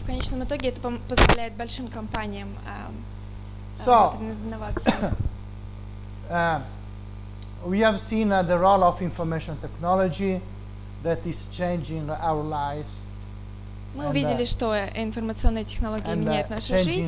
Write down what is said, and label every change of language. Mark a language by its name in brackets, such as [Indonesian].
[Russian] В конечном итоге это позволяет большим компаниям инновации. [English] We have seen the role of information technology, that is changing our lives. [Russian] Мы увидели, что информационные технологии меняют нашу жизнь